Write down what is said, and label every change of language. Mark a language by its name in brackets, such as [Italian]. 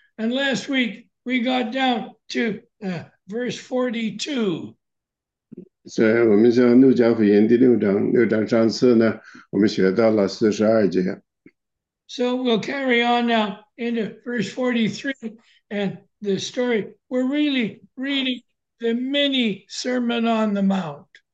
[English] And last week we got down to verse 42. [Chinese] 所以我们像《路加福音》第六章，六章上次呢，我们学到了42节。 [English] So we'll carry on now into verse 43 and the story. We're really reading the mini Sermon on the Mount.